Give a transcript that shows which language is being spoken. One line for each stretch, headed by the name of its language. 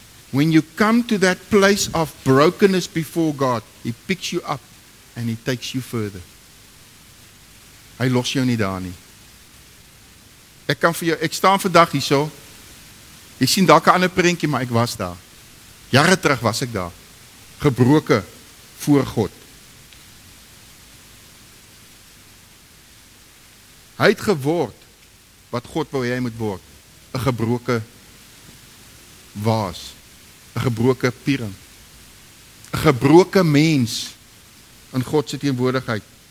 English: When you come to that place of brokenness before God, he picks you up and he takes you further.
Afrikaans: Hy los jou nie daar nie. Ek kan vir jou, ek staan vandag hierso, jy sien dalk 'n ander prentjie, maar ek was daar. Jare terug was ek daar, gebroken voor God. Hy het geword wat God wou hy moet word, 'n gebroken waas. 'N gebroken piering. 'N gebroken mens in God se teenwoordigheid.